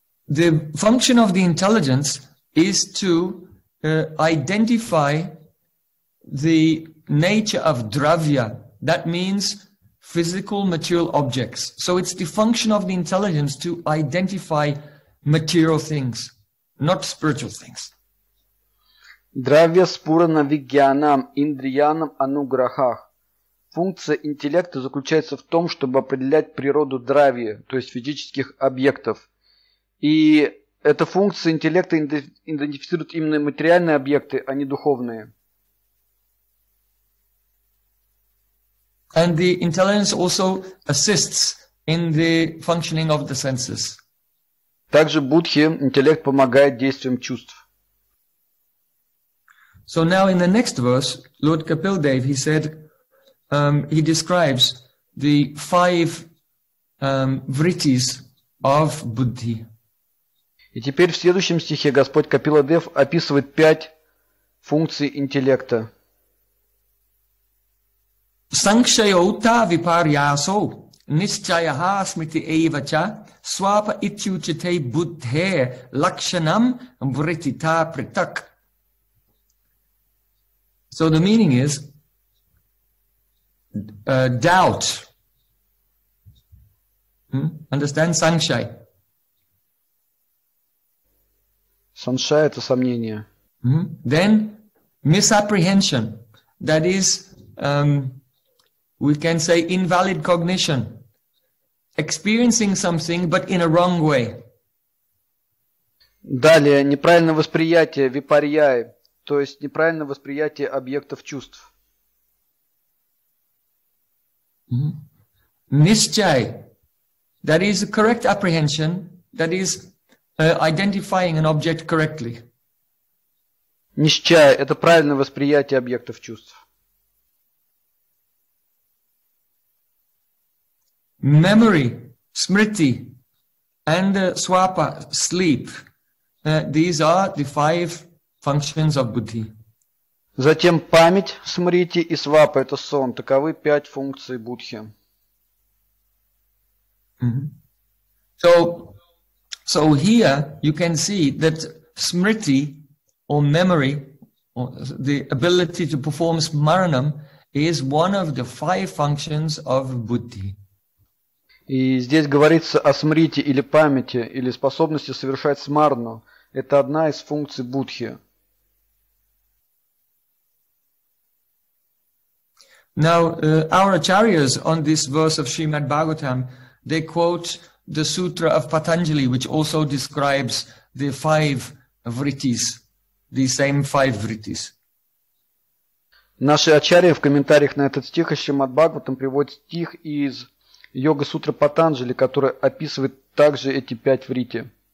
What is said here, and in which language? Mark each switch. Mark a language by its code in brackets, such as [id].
[en] The function of the intelligence is to identify the nature of dravya, That means physical material objects. So it's the function of the intelligence to identify material things, not spiritual things. [sa] Дравья спурана вигьянам индриянам ануграхах. [ru] Функция интеллекта заключается в том, чтобы определять природу дравья, то есть физических объектов. И эта функция интеллекта идентифицирует именно материальные объекты, а не духовные. [en] And the intelligence also assists in the functioning of the senses. [ru] Также будхи интеллект помогает действиям чувств. [en] So now in the next verse, Lord Kapildev, he said, he describes the five vrittis of buddhi. [ru] И теперь в следующем стихе Господь Капиладев описывает пять функций интеллекта. [sa] Sankshayo uta viparyaso nischayaha smriti eva cha swapa ityuchate buddhe lakshanam vrittita pritak. [en] So the meaning is doubt. Understand sanshay? [ru] Sanshay это сомнение. [en] Then misapprehension, that is we can say invalid cognition. Experiencing something but in a wrong way. [ru] Далее неправильное восприятие випарьяй. То есть неправильное восприятие объектов чувств. [en] Nischay. That is a correct apprehension. That is identifying an object correctly. [ru] Nischay – это правильное восприятие объектов чувств. [en] Memory, smriti, and swapa, sleep. These are the five functions of buddhi. [ru] Затем память, смрити и свапа – это сон. Таковы пять функций буддхи. [en] So here you can see that smriti or memory or the ability to perform smaranam is one of the five functions of buddhi. [ru] И здесь говорится о смрити или памяти или способности совершать смарану. Это одна из функций буддхи. [en] Now, our acharyas on this verse of Srimad Bhagavatam, they quote the Sutra of Patanjali, which also describes the five vrittis, the same five vrittis. [ru] Наши ачарьи в комментариях на этот стих из Шримад Бхагаватам приводят стих из Йога Сутра Патанджали, который описывает также эти пять вритти.